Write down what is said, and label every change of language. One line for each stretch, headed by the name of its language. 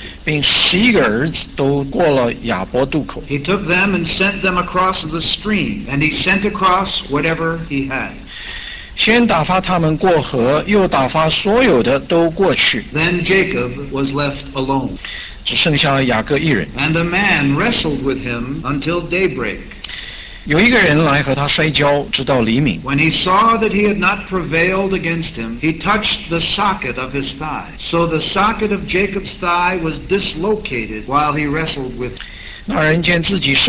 English: He took them and sent them across the stream, and he sent across whatever he had.
Chinese: 先打发他们过河，又打发所有的都过去。
English: Then Jacob was left alone.
Chinese: 只剩下雅各一人。
English: And a man wrestled with him until daybreak.
Chinese: 有一个人来和他摔跤，直到黎明。
English: When he saw that he had not prevailed against him, he touched the socket of his thigh. So the socket of Jacob's thigh was dislocated while he wrestled with him.